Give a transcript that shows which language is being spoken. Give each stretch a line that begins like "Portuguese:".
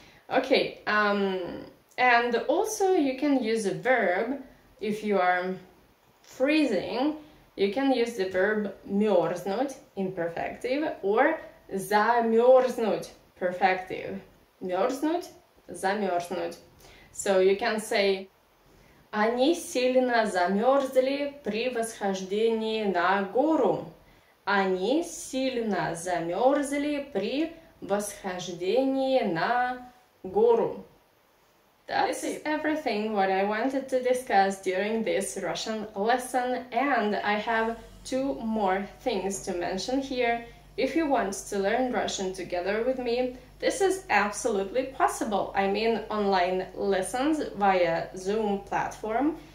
English: Okay, and also you can use a verb. If you are freezing, you can use the verb мёрзнуть, imperfective, or замёрзнуть, perfective.
Russian: Мёрзнуть, замёрзнуть.
English: So you can say
Russian: они сильно замёрзли при восхождении на гору. Они сильно замёрзли при восхождении на гору.
English: That's everything what I wanted to discuss during this Russian lesson, and I have two more things to mention here. If you want to learn Russian together with me, this is absolutely possible. I mean online lessons via Zoom platform.